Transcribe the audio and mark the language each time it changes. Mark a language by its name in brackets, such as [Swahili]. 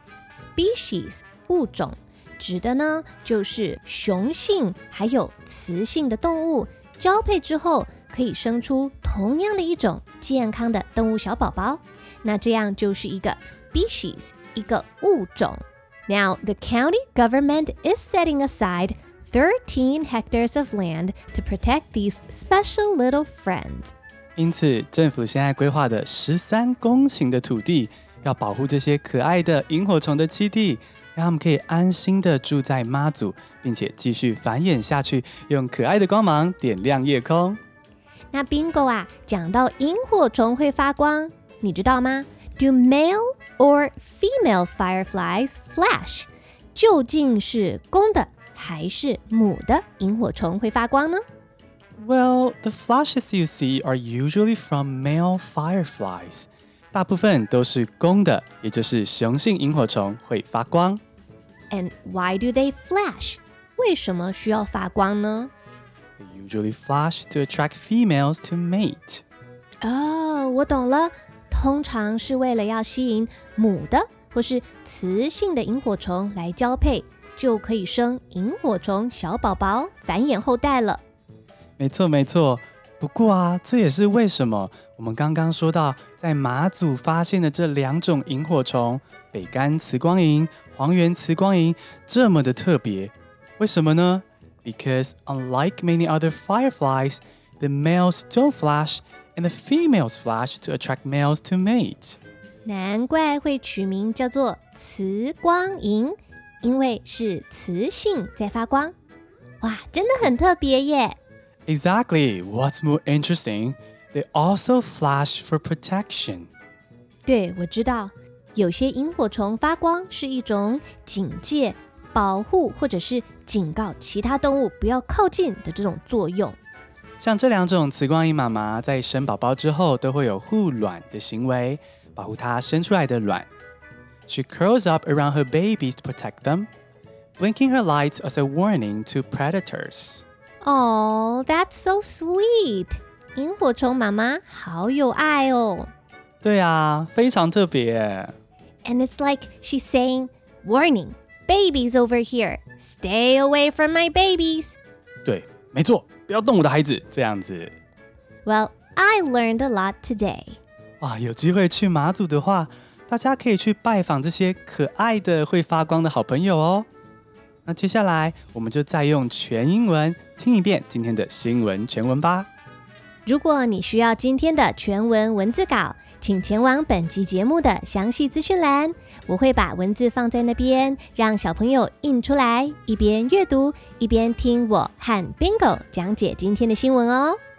[Chinese] ？Species 物种指的呢，就是雄性还有雌性的动物交配之后，可以生出同样的一种健康的动物小宝宝。那这样就是一个 species， 一个物种。 [English] Now, the county government is setting aside 13 hectares of land to protect these special little friends. [Chinese] 因此，政府现在规划的13公顷的土地，要保护这些可爱的萤火虫的栖地，让他们可以安心的住在妈祖，并且继续繁衍下去，用可爱的光芒点亮夜空。那 Bingo 啊，讲到萤火虫会发光，你知道吗？ [English] Do male or female fireflies flash? [Chinese] 究竟是公的还是母的萤火虫会发光呢？ [English] Well, the flashes you see are usually from male fireflies. [Chinese] 大部分都是公的，也就是雄性萤火虫会发光。 [English] And why do they flash? [Chinese] 为什么需要发光呢？ [English] They usually flash to attract females to mate. [Chinese] 哦，我懂了。通常是为了要吸引母的或是雌性的萤火虫来交配，就可以生萤火虫小宝宝繁衍后代了。没错没错，不过啊，这也是为什么我们刚刚说到在马祖发现的这两种萤火虫，北干磁光萤、黄缘磁光萤，这么的特别。为什么呢？ [English] Because unlike many other fireflies, the males don't flashand the females flash to attract males to mate. [Chinese] 难怪会取名叫做磁光萤，因为是雌性在发光。哇，真的很特别耶。 [English] Exactly. What's more interesting, they also flash for protection. [Chinese] 对，我知道，有些萤火虫发光是一种警戒、保护或者是警告其他动物不要靠近的这种作用。像这两种磁光萤妈妈在生宝宝之后都会有护卵的行为，保护她生出来的卵。 [English] She curls up around her babies to protect them, blinking her lights as a warning to predators. Aww, that's so sweet! [Chinese] 萤火虫妈妈好有爱哦。对啊，非常特别。 [English] And it's like she's saying, warning, babies over here, stay away from my babies. [Chinese] 对，没错，不要动我的孩子，这样子。 [English] Well, I learned a lot today. [Chinese] 哇，有机会去马祖的话，大家可以去拜访这些可爱的会发光的好朋友哦。那接下来我们就再用全英文听一遍今天的新闻全文吧。如果你需要今天的全文文字稿，请前往本集节目的详细资讯栏，我会把文字放在那边，让小朋友印出来，一边阅读，一边听我和 Bingo 讲解今天的新闻哦。